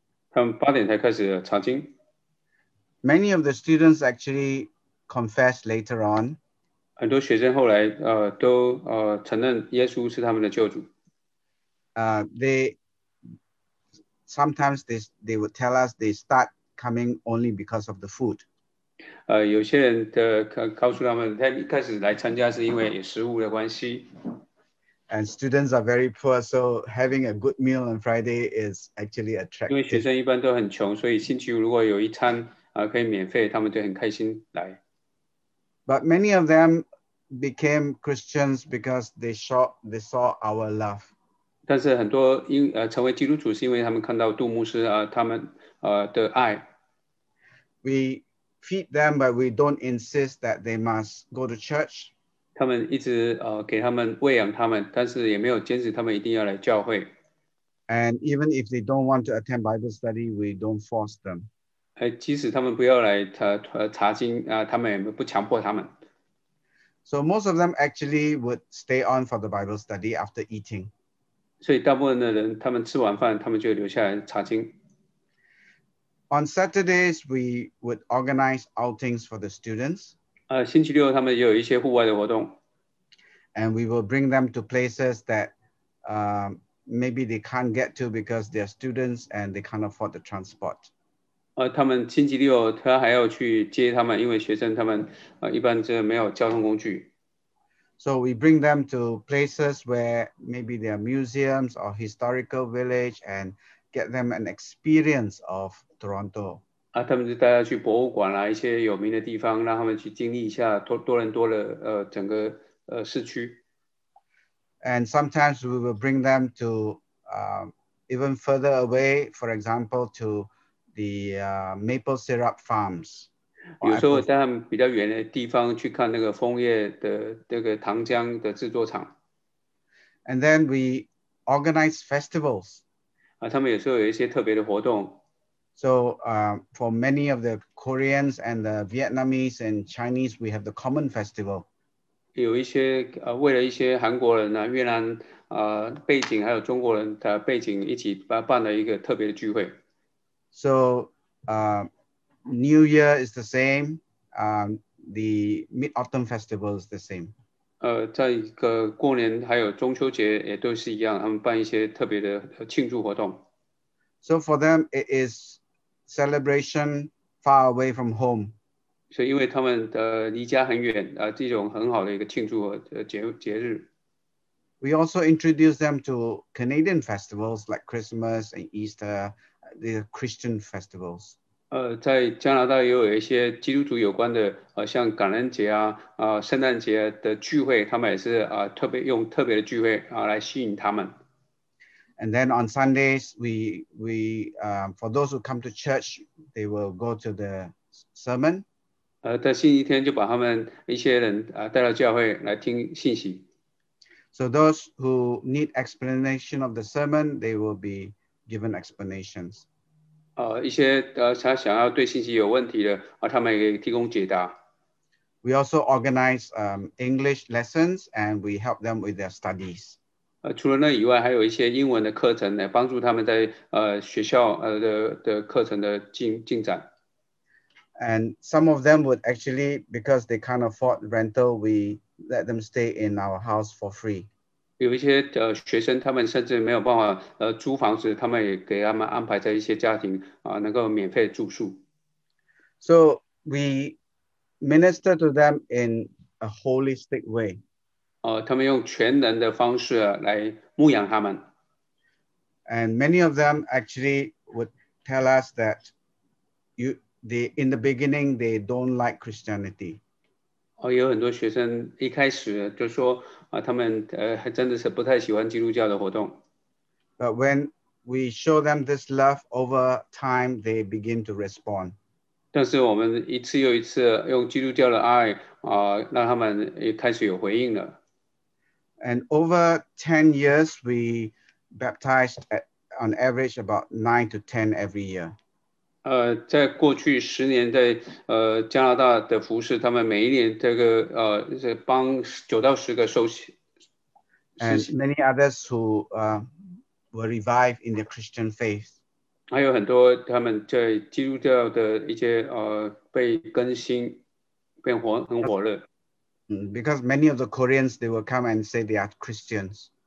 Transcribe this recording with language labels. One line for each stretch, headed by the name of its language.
Chinese: 他们8点才开始查经。
English: Many of the students actually confess later on.
Chinese: 很多学生后来都承认耶稣是他们的救主。
English: Sometimes they would tell us they start coming only because of the food.
Chinese: 有些人的告诉他们，他一开始来参加是因为有食物的关系。
English: And students are very poor, so having a good meal on Friday is actually
Chinese: 因为学
English: attractive.
Chinese: 生一般都很穷，所以星期五如果有一餐可以免费，他们就很开心来。
English: But many of them became Christians because they saw our love.
Chinese: 但是很多成为基督徒是因为他们看到杜牧师他们的爱。
English: We feed them, but we don't insist that they must go to church.
Chinese: 他们一直给他们喂养他们，但是也没有坚持他们一定要来教会。
English: And even if they don't want to attend Bible study, we don't force them.
Chinese: 即使他们不要来查经啊，他们也不强迫他们。
English: So most of them actually would stay on for the Bible study after eating.
Chinese: 所以大部分的人，他们吃完饭，他们就留下来查经。
English: On Saturdays, we would organize outings for the students.
Chinese: 星期六他们也有一些户外的活动。
English: And we will bring them to places that maybe they can't get to because they're students and they can't afford the transport.
Chinese: 他们星期六他还要去接他们，因为学生他们一般就没有交通工具。
English: So we bring them to places where maybe there are museums or historical village and get them an experience of Toronto.
Chinese: 他们就带他去博物馆啦，一些有名的地方，让他们去经历一下多伦多的整个市区。
English: And sometimes we will bring them to even further away, for example, to the maple syrup farms.
Chinese: 有时候带他们比较远的地方去看那个枫叶的那个糖浆的制作厂。
English: And then we organize festivals.
Chinese: 他们有时候有一些特别的活动。
English: So for many of the Koreans and the Vietnamese and Chinese, we have the common festival.
Chinese: 有一些为了一些韩国人啊、越南背景，还有中国人的背景，一起办了一个特别的聚会。
English: So, New Year is the same. The Mid Autumn Festival is the same.
Chinese: 在一个过年还有中秋节也都是一样，他们办一些特别的庆祝活动。
English: So for them, it is celebration far away from home.
Chinese: 所以因为他们离家很远，这种很好的一个庆祝节日。
English: We also introduce them to Canadian festivals like Christmas and Easter, the Christian festivals.
Chinese: 在加拿大也有一些基督徒有关的，像感恩节啊、圣诞节的聚会，他们也是特别用特别的聚会来吸引他们。
English: And then on Sundays, for those who come to church, they will go to the sermon.
Chinese: 在星期天就把他们一些人带到教会来听信息。
English: So those who need explanation of the sermon, they will be given explanations.
Chinese: 一些他想要对信息有问题的他们也可以提供解答。
English: We also organize English lessons and we help them with their studies.
Chinese: 除了那以外，还有一些英文的课程来帮助他们在学校的课程的进展。
English: And some of them would actually, because they can't afford rental, we let them stay in our house for free.
Chinese: 有一些学生，他们甚至没有办法租房子，他们也给他们安排在一些家庭能够免费住宿。
English: So we minister to them in a holistic way.
Chinese: 他们用全能的方式来牧养他们。
English: And many of them actually would tell us that in the beginning, they don't like Christianity.
Chinese: 有很多学生一开始就说他们真的是不太喜欢基督教的活动。
English: But when we show them this love over time, they begin to respond.
Chinese: 但是我们一次又一次用基督教的爱让他们也开始有回应了。
English: And over 10 years, we baptized on average about 9 to 10 every year.
Chinese: 在过去十年在加拿大的服事，他们每一年这个帮9到10个受洗。
English: And many others who were revived in the Christian faith.
Chinese: 还有很多他们在基督教的一些被更新，变活很火热。
English: Because many of the Koreans they will come and say they are Christians.